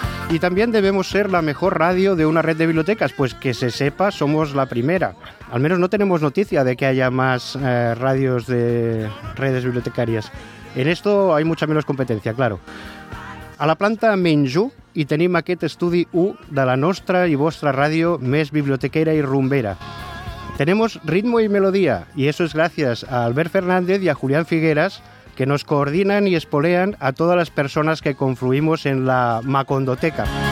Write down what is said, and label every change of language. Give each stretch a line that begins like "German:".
Spanish: Y también debemos ser la mejor radio de una red de bibliotecas, pues que se sepa, somos la primera. Al menos no tenemos noticia de que haya más radios de redes bibliotecarias. En esto hay mucha menos competencia, claro.
Catalan: A la planta Menjú y tenim aquest estudi U de la nostra y vostra radio més bibliotequera y rumbera.
Spanish: Tenemos ritmo y melodía, y eso es gracias a Albert Fernández y a Julián Figueras, que nos coordinan y espolean a todas las personas que confluimos en la Macondoteca.